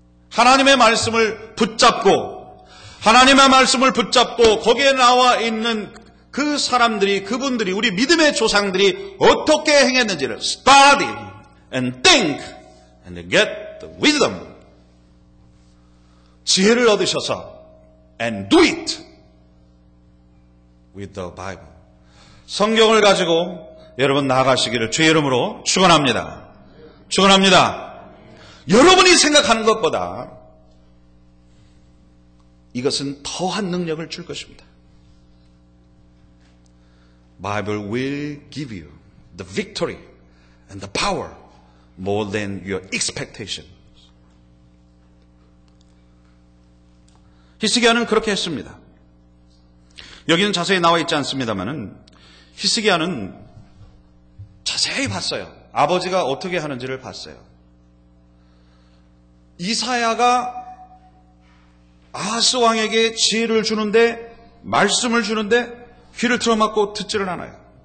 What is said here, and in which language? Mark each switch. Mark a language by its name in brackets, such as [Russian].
[Korean] 하나님의 말씀을 붙잡고 하나님의 말씀을 붙잡고 거기에 나와 있는 그 사람들이 그분들이 우리 믿음의 조상들이 어떻게 행했는지를 [English] study and think and get the wisdom [Korean] 지혜를 얻으셔서 [English] and do it with the Bible [Korean] 성경을 가지고 여러분 나아가시기를 주의 이름으로 축원합니다. 축원합니다. 여러분이 생각하는 것보다 이것은 더한 능력을 줄 것입니다. [English] Bible will give you the victory and the power more than your expectations. [Korean] 히스기야는 그렇게 했습니다. 여기는 자세히 나와 있지 않습니다만은 히스기야는 자세히 봤어요. 아버지가 어떻게 하는지를 봤어요. 이사야가 아하스 왕에게 지혜를 주는데 말씀을 주는데 귀를 틀어막고 듣지를 않아요.